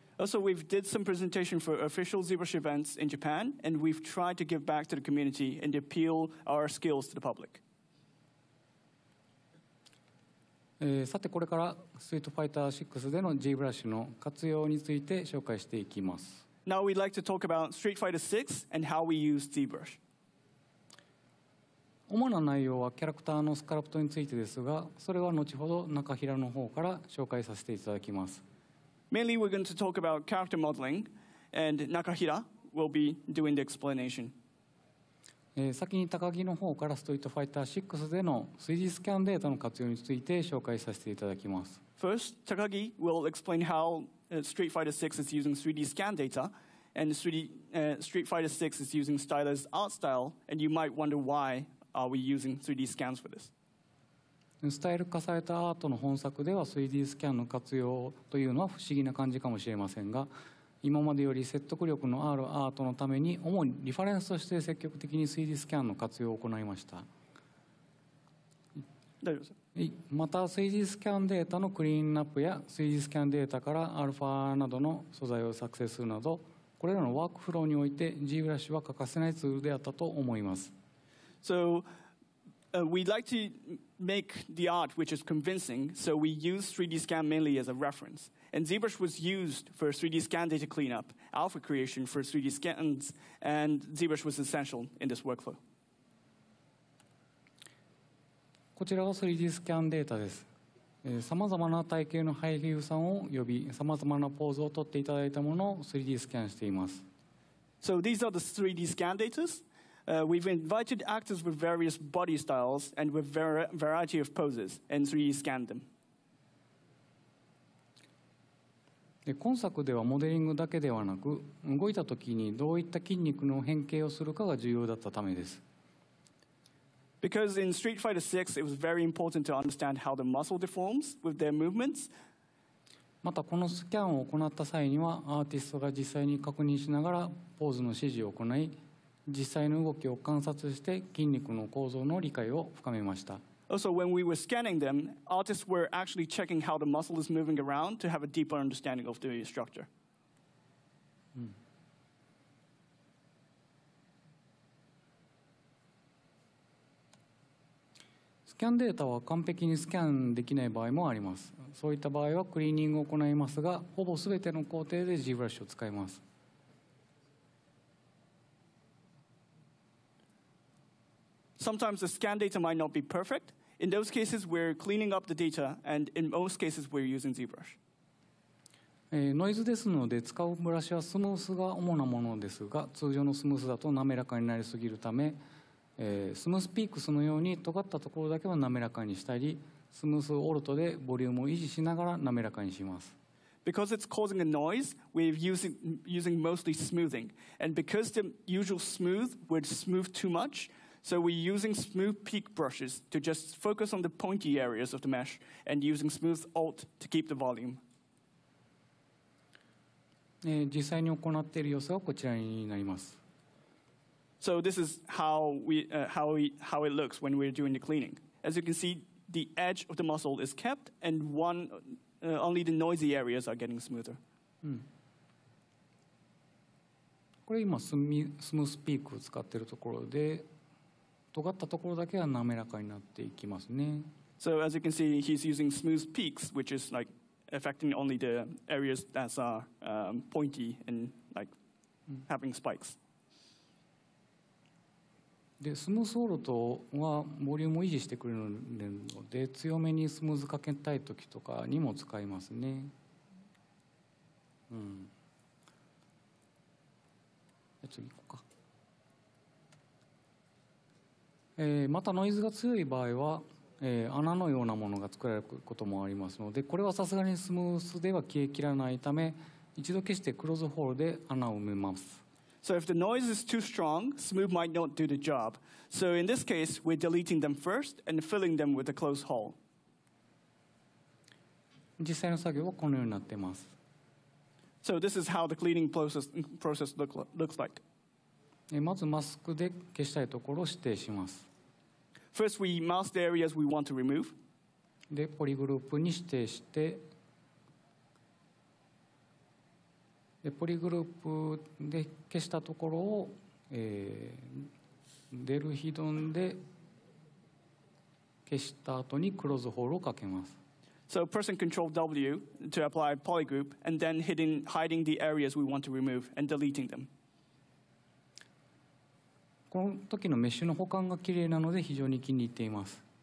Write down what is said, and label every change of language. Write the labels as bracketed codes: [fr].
[en] Also, we've did some presentation for official ZBrush events in Japan, and we've tried to give back to the community and appeal our skills to the public. [ja] さてこれからストリートファイター6での ZBrush の活用について紹介していきます。 [en] Now we'd like to talk about Street Fighter 6 and how we use ZBrush. [ja] 主な内容はキャラクターのスカルプトについてですが、それは後ほど中平の方から紹介させていただきます。 [en] Mainly we're going to talk about character modeling, and Nakahira will be doing the explanation. [ja] 先に高木の方からストリートファイター6での 3D スキャンデータの活用について紹介させていただきます。 [en] First, Takagi will explain how Street Fighter 6 is using 3D scan data. And Street Fighter 6 is using stylized art style, and you might wonder why are we using 3D scans for this. [ja] スタイル化されたアートの本作では 3D スキャンの活用というのは不思議な感じかもしれませんが、今までより説得力のあるアートのために主にリファレンスとして積極的に 3D スキャンの活用を行いました。大丈夫ですか？また、 3D スキャンデータのクリーンアップや 3D スキャンデータからアルファなどの素材を作成するなど、これらのワークフローにおいて ZBrush は欠かせないツールであったと思います。 [en] So, we'd like to make the art which is convincing, so we use 3D scan mainly as a reference. And ZBrush was used for 3D scan data cleanup, alpha creation for 3D scans, and ZBrush was essential in this workflow. [ja] こちらが 3D スキャンデータです。さまざまな体型の俳優さんを呼び、さまざまなポーズを取っていただいたものを 3D スキャンしています。 [en] So these are the 3D scan data. We've invited actors with various body styles and with variety of poses and 3D scanned them. [ja] 今作ではモデリングだけではなく、動いたときにどういった筋肉の変形をするかが重要だったためです。 [en] Because in Street Fighter 6, it was very important to understand how the muscle deforms with their movements. [ja] またこのスキャンを行った際には、アーティストが実際に確認しながらポーズの指示を行い、実際の動きを観察して筋肉の構造の理解を深めました。 [en] Also, when we were scanning them, artists were actually checking how the muscle is moving around to have a deeper understanding of the structure. [ja] スキャンデータは完璧にスキャンできない場合もあります。そういった場合はクリーニングを行いますが、ほぼすべての工程で ZBrush を使います。 [en] Sometimes the scan data might not be perfect. In those cases, we're cleaning up the data, and in most cases, we're using ZBrush. [ja] ノイズですので使うブラシはスムースが主なものですが、通常のスムースだと滑らかになりすぎるため、スムースピークスのように尖ったところだけは滑らかにしたり、スムースオルトでボリュームを維持しながら滑らかにします。 [en] Because it's causing a noise, we're using mostly smoothing. And because the usual smooth would smooth too much, so we're using smooth peak brushes to just focus on the pointy areas of the mesh and using smooth alt to keep the volume. [ja] 実際に行っている様子はこちらになります。 [en] So this is how it looks when we're doing the cleaning. As you can see, the edge of the muscle is kept, and only the noisy areas are getting smoother. [ja] これ今スムースピークを使っているところで、尖ったところだけは滑らかになっていきますね。 [en] So as you can see, he's using smooth peaks, which is like affecting only the areas that are pointy and like having spikes. [ja] でスムースオルトはボリュームを維持してくれるので強めにスムーズかけたい時とかにも使いますね、次行こうか、またノイズが強い場合は、穴のようなものが作られることもありますので、これはさすがにスムースでは消えきらないため、一度消してクローズホールで穴を埋めます。 [en] So if the noise is too strong, smooth might not do the job. So in this case, we're deleting them first and filling them with a closed hole. [ja] 実際の作業はこのようになっています。 [en] So this is how the cleaning process looks like. [ja] まずマスクで消したいところを指定します。 [en] First, we mask the areas we want to remove. [ja] で、ポリグループに指定して、でポリグループで消したところを、デルヒドンで消した後にクローズホールをかけます。 [en] So person control W to apply poly group and then hiding the areas we want to remove and deleting them. [ja] この時のメッシュの保管が綺麗なので非常に気に入っています。